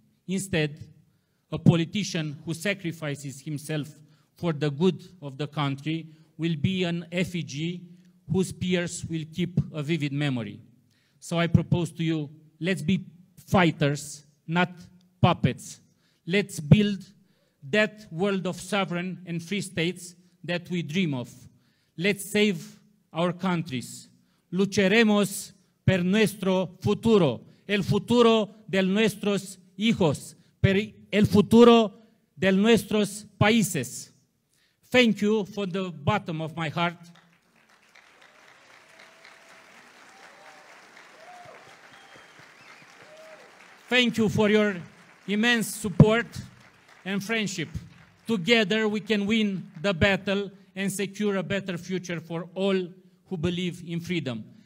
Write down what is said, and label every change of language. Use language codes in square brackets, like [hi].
[en] Instead, a politician who sacrifices himself for the good of the country will be an effigy whose peers will keep a vivid memory. So I propose to you, let's be fighters, not puppets. Let's build that world of sovereign and free states that we dream of. Let's save our countries. [es] Lucharemos per nuestro futuro, el futuro de nuestros hijos, per el futuro de nuestros países. [en] Thank you from the bottom of my heart. Thank you for your immense support and friendship. Together we can win the battle and secure a better future for all who believe in freedom.